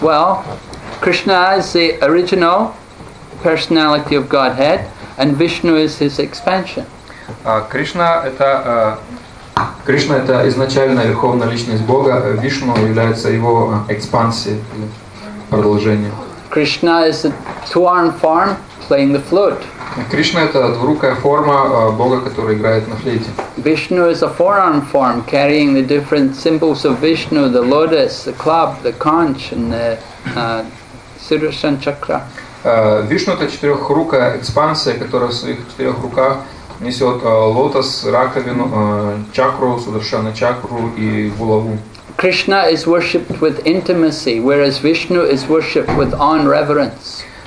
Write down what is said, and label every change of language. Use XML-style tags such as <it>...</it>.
<en>Well, Krishna is the original personality of Godhead. And Vishnu is his expansion.</en> <ru>Кришна это изначально верховная личность Бога, Вишну является его экспансией, продолжением.</ru> <en>Krishna is a two-armed form playing the flute.</en> <ru>Кришна это двурукая форма Бога, который играет на флейте.</ru> <en>Vishnu is a four-armed form carrying the different symbols of Vishnu, the lotus, the club, the conch and the Sudarshan chakra.</en> <ru>Вишну это четырехрукая экспансия, которая в своих четырех руках несет лотос, раковину, чакру, Сударшана чакру и булаву.</ru> <en>Krishna is worshipped with intimacy, whereas Vishnu is worshipped with awe and reverence.</en>